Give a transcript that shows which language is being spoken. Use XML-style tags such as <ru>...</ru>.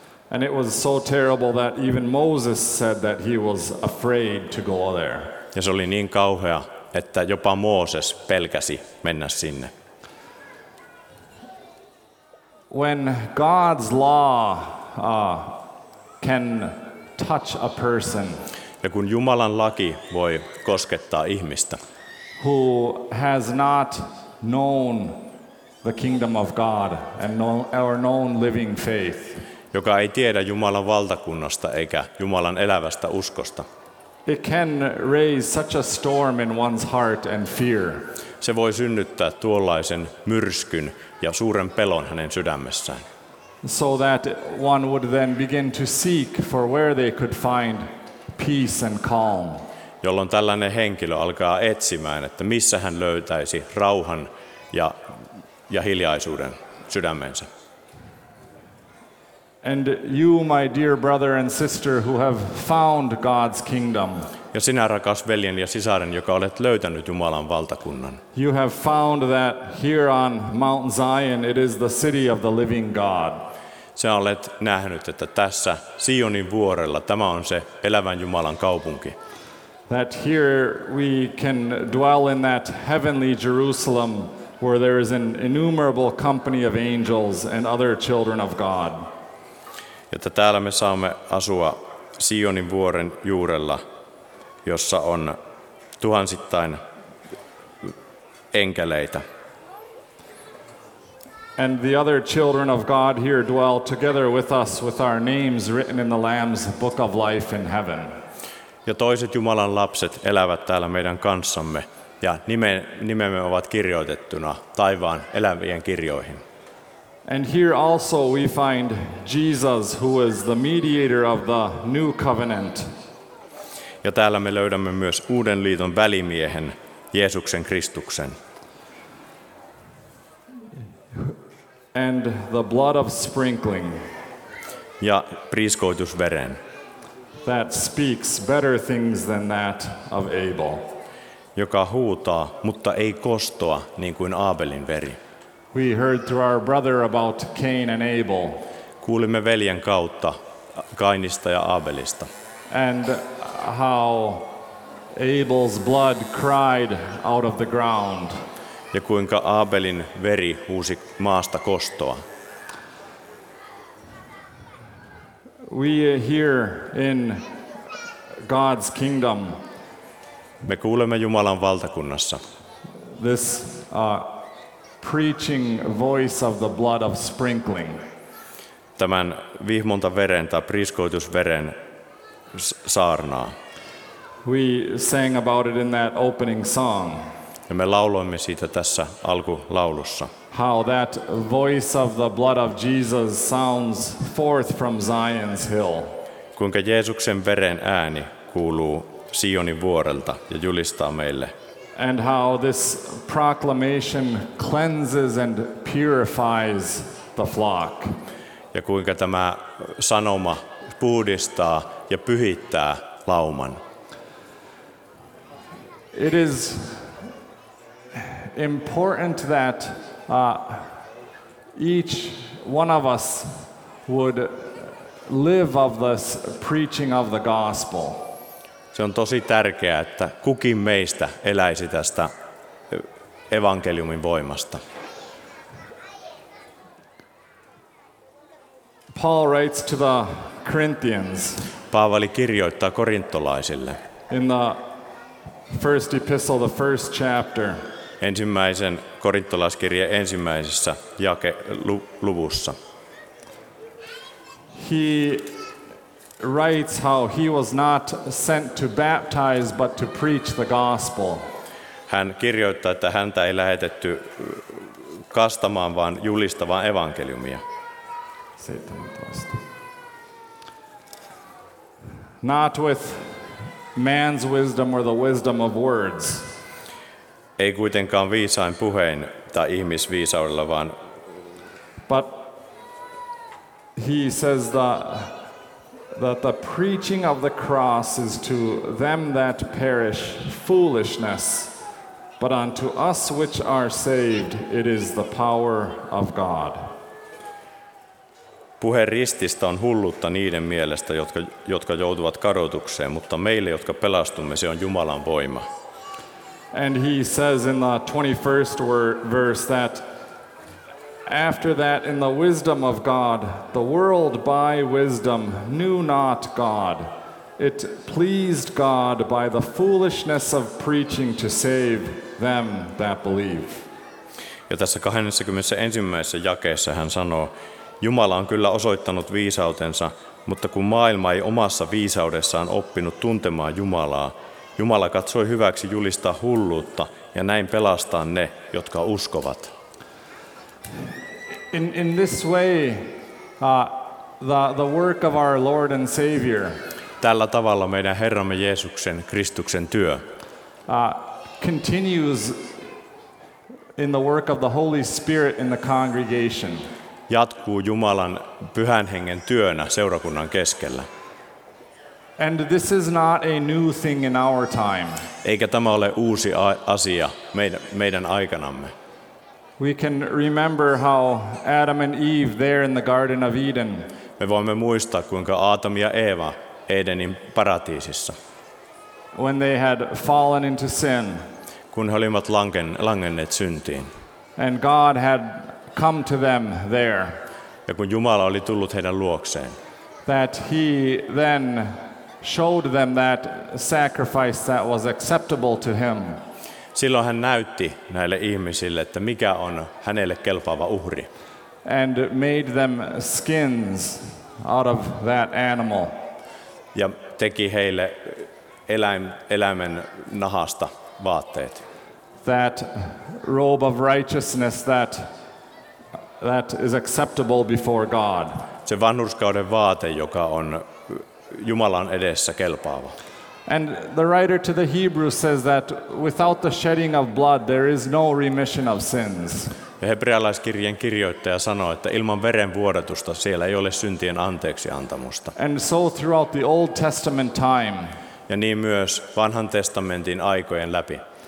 <en>And it was so terrible that even Moses said that he was afraid to go there.</en> <fi>Ja se oli niin kauhea, että jopa Mooses pelkäsi mennä sinne.</fi> <en>When God's law can touch a person.</en> <fi>Ja kun Jumalan laki voi koskettaa ihmistä.</fi> <en>Who has not known the kingdom of God and known living faith.</en> <fi>Joka ei tiedä Jumalan valtakunnasta eikä Jumalan elävästä uskosta.</fi> <en>It can raise such a storm in one's heart and fear.</en> <fi>Se voi synnyttää tuollaisen myrskyn ja suuren pelon hänen sydämessään.</fi> <en>So that one would then begin to seek for where they could find peace and calm.</en> <fi>Jolloin tällainen henkilö alkaa etsimään, että missä hän löytäisi rauhan ja hiljaisuuden sydämensä.</fi> <en>And you, my dear brother and sister, who have found God's kingdom.</en> <fi>Ja sinä, rakas veljen ja sisaren, joka olet löytänyt Jumalan valtakunnan.</fi> <en>You have found that here on Mount Zion it is the city of the living God.</en> <fi>Sä olet nähnyt, että tässä Sionin vuorella tämä on se elävän Jumalan kaupunki.</fi> <en>That here we can dwell in that heavenly Jerusalem where there is an innumerable company of angels and other children of God.</en> <fi>Että täällä me saamme asua Sionin vuoren juurella, jossa on tuhansittain enkeleitä.</fi> <en>And the other children of God here dwell together with us with our names written in the Lamb's book of life in heaven.</en> <fi>Ja toiset Jumalan lapset elävät täällä meidän kanssamme ja nimemme ovat kirjoitettuna taivaan elävien kirjoihin.</fi> <en>And here also we find Jesus, who is the mediator of the new covenant.</en> <fi>Ja täällä me löydämme myös uuden liiton välimiehen, Jeesuksen Kristuksen.</fi> <en>And the blood of sprinkling.</en> <fi>Ja priiskoitusveren.</fi> <en>That speaks better things than that of Abel.</en> <fi>Joka huutaa, mutta ei kostoa, niin kuin Aabelin veri.</fi> <en>We heard through our brother about Cain and Abel.</en> <fi>Kuulimme veljen kautta Kainista ja Aabelista.</fi> <en>And how Abel's blood cried out of the ground.</en> <fi>Ja kuinka Aabelin veri huusi maasta kostoa.</fi> <en>We here in God's kingdom.</en> <fi>Me kuulemme Jumalan valtakunnassa.</fi> <en>This preaching voice of the blood of sprinkling.</en> <fi>Tämän vihmonta veren tai priiskoitusveren saarnaa.</fi> <en>We sang about it in that opening song.</en> <fi>Ja me lauloimme siitä tässä alkulaulussa.</fi> <en>How that voice of the blood of Jesus sounds forth from Zion's hill.</en> <fi>Kuinka Jeesuksen veren ääni kuuluu Sionin vuorelta ja julistaa meille.</fi> <en>And how this proclamation cleanses and purifies the flock.</en> <fi>Ja kuinka tämä sanoma puhdistaa ja pyhittää lauman.</fi> <en>It is important that each one of us would live of this preaching of the gospel.</en> <fi>Se on tosi tärkeää, että kukin meistä eläisi tästä evankeliumin voimasta.</fi> <en>Paul writes to the Corinthians.</en> <fi>Paavali kirjoittaa korintolaisille.</fi> <en>In the first epistle, the first chapter.</en> <fi>Ensimmäisen korintolaiskirjeen ensimmäisessä luvussa.</fi> <en>He writes how he was not sent to baptize but to preach the gospel.</en> <fi>Hän kirjoittaa, että häntä ei lähetetty kastamaan vaan julistamaan evankeliumia.</fi> <en>17. Not with man's wisdom or the wisdom of words.</en> <fi>Ei kuitenkaan viisain puheen tai ihmisviisaudella vaan.</fi> <en>But he says that the preaching of the cross is to them that perish foolishness, but unto us which are saved it is the power of God.</en> <fi>Puhe rististä on hullutta niiden mielestä, jotka joutuvat kadotukseen, mutta meille, jotka pelastumme, se on Jumalan voima.</fi> <en>And he says in the 21st verse that after that, in the wisdom of God, the world by wisdom knew not God. It pleased God by the foolishness of preaching to save them that believe.</en> <fi>Ja tässä 21. jakeessa hän sanoo, Jumala on kyllä osoittanut viisautensa, mutta kun maailma ei omassa viisaudessaan oppinut tuntemaan Jumalaa, Jumala katsoi hyväksi julistaa hulluutta ja näin pelastaa ne, jotka uskovat.</fi> <en>In this way, the work of our Lord and Savior.</en> <fi>Tällä tavalla meidän Herramme Jeesuksen Kristuksen työ</fi> <en>continues in the work of the Holy Spirit in the congregation.</en> <fi>Jatkuu Jumalan Pyhän Hengen työnä seurakunnan keskellä.</fi> <en>And this is not a new thing in our time.</en> <fi>Eikä tämä ole uusi asia meidän aikanamme.</fi> <en>We can remember how Adam and Eve there in the Garden of Eden.</en> <fi>Me voimme muistaa kuinka Aatam ja Eeva Edenin paratiisissa.</fi> <en>When they had fallen into sin.</en> <fi>Kun he olivat langenneet syntiin.</fi> <en>And God had come to them there.</en> <fi>Ja kun Jumala oli tullut heidän luokseen.</fi> <en>That he then showed them that sacrifice that was acceptable to him.</en> <fi>Silloin hän näytti näille ihmisille, että mikä on hänelle kelpaava uhri.</fi> <en>And made them skins out of that animal.</en> <fi>Ja teki heille eläimen nahasta vaatteet.</fi> <en>That robe of righteousness that is acceptable before God.</en> <fi>Se vanhurskauden vaate, joka on Jumalan edessä kelpaava.</fi> <en>And the writer to the Hebrews says that without the shedding of blood there is no remission of sins.</en> <fi>Ja hebrealaiskirjeen kirjoittaja sanoo, että ilman veren vuodatusta siellä ei ole syntien anteeksi antamusta.</fi> <en>And so throughout the Old Testament time.</en> <fi>Ja niin myös Vanhan testamentin aikojen läpi.</fi>